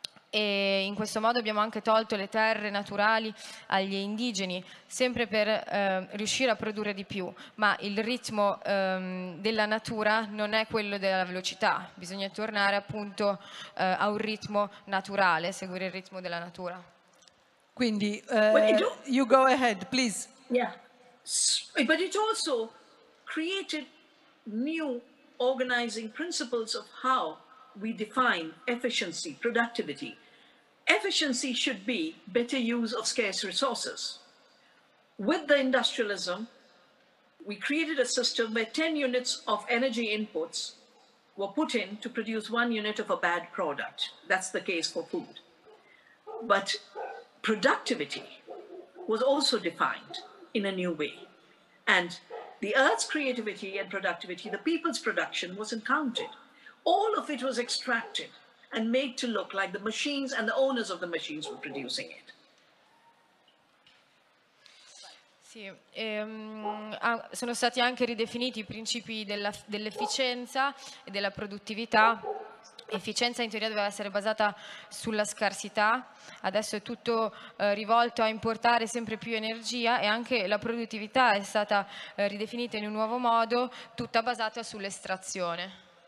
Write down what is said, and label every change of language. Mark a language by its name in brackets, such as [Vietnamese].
[Italian] E in questo modo abbiamo anche tolto le terre naturali agli indigeni, sempre per riuscire a produrre di più. Ma il ritmo della natura non è quello della velocità, bisogna tornare appunto a un ritmo naturale, seguire il ritmo della natura. [English] Quindi, you go ahead, please. Yeah, but it also created new organizing principles of how we define efficiency, productivity. Efficiency should be better use of scarce resources. With the industrialism, we created a system where 10 units of energy inputs were put in to produce one unit of a bad product. That's the case for food. But productivity was also defined in a new way. And the earth's creativity and productivity, the people's production, wasn't counted. All of it was extracted and made to look like the machines and the owners of the machines were producing it. [Italian] Sì, sono stati anche ridefiniti i principi dell'efficienza e della produttività. Efficienza in teoria doveva essere basata sulla scarsità, adesso è tutto rivolto a importare sempre più energia e anche la produttività è stata ridefinita in un nuovo modo, tutta basata sull'estrazione.